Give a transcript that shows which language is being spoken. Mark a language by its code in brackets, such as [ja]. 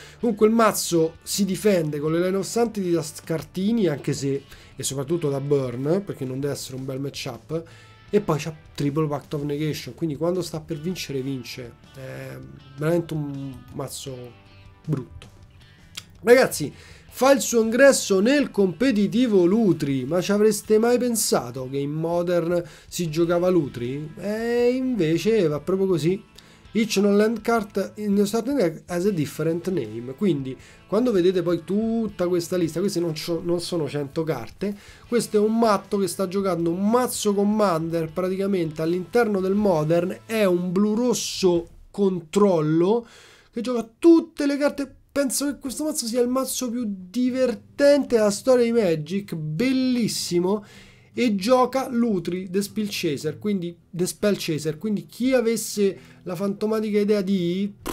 [it] Comunque il mazzo si difende con le Line of Sanity da scartini, anche se, e soprattutto da burn, perché non deve essere un bel matchup, e poi c'ha Triple Pact of Negation, quindi quando sta per vincere, vince. È veramente un mazzo brutto. Ragazzi, fa il suo ingresso nel competitivo Lutri, ma ci avreste mai pensato che in Modern si giocava Lutri? E invece va proprio così. [en] Each non-land card in the starting deck has a different name. [it] Quindi, quando vedete poi tutta questa lista, queste non sono 100 carte, questo è un matto che sta giocando un mazzo Commander praticamente all'interno del Modern, è un blu-rosso controllo che gioca tutte le carte. Penso che questo mazzo sia il mazzo più divertente della storia di Magic, bellissimo, e gioca Lutri, The Spell Chaser, quindi The Spell Chaser, quindi chi avesse la fantomatica idea di...